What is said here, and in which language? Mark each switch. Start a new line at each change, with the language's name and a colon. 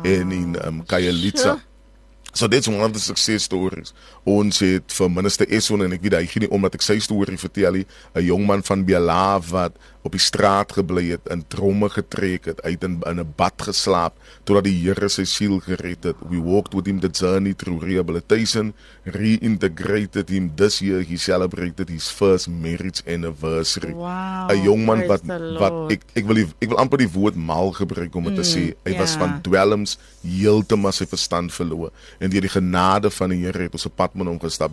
Afrikaans: En in
English: Kayalitsa. So that's one of the success stories.
Afrikaans: Ons het vir minister Eson, en ek weet, hy gee nie om dat ek sy story vertel, 'n jong man van Biala wat op die straat gebly het, in tromme getrek het, uit in 'n bad geslaap, totdat die Here sy siel gered het.
English: We walked with him the journey through rehabilitation, reintegrated him this year, he celebrated his first marriage anniversary. Wow,
Afrikaans: 'n jong man wat ek wil amper die woord mal gebruik om het te sê, hy was van dwelms, heeltemal sy verstand verloor, en deur die genade van die Here het ons 'n pad met hom gestap.